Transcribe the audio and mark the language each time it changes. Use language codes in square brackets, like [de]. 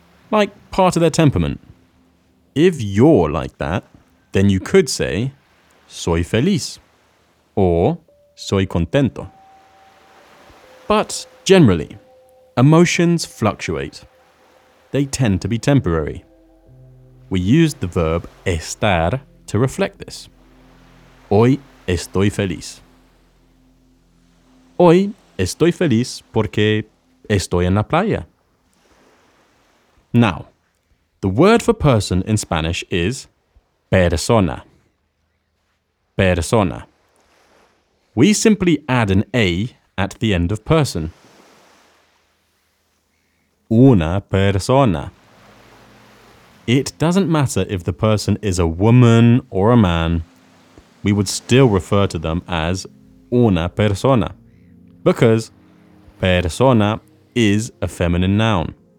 [en] Like part of their temperament. If you're like that, then you could say, [es] soy feliz, [en] or [es] soy contento. [en] But generally, emotions fluctuate. They tend to be temporary. We use the verb estar to reflect this. [es] Hoy estoy feliz. Hoy estoy feliz porque estoy en la playa. [en] Now, the word for person in Spanish is persona. Persona. We simply add an A at the end of person. Una persona. It doesn't matter if the person is a woman or a man, we would still refer to them as una persona, because persona is a feminine noun.